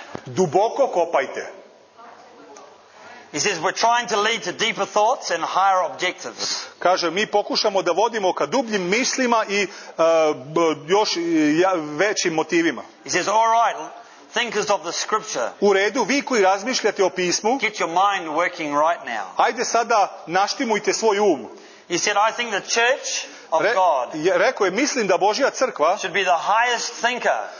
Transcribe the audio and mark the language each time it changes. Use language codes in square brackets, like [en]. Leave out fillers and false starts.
[sr] Duboko kopajte. [en] He says we're trying to lead to deeper thoughts and higher objectives. [sr] Kaže, mi pokušamo da vodimo ka dubljim mislima i još većim motivima. [en] He says, all right, thinkers of the scripture. [sr] U redu, vi koji razmišljate o pismu. [en] Get your mind working right now. [sr] Ajde sada naštimujte svoj um. [en] He said, I think the church of God. [sr] Rekao je, mislim da Božja crkva [en] should be the highest thinker.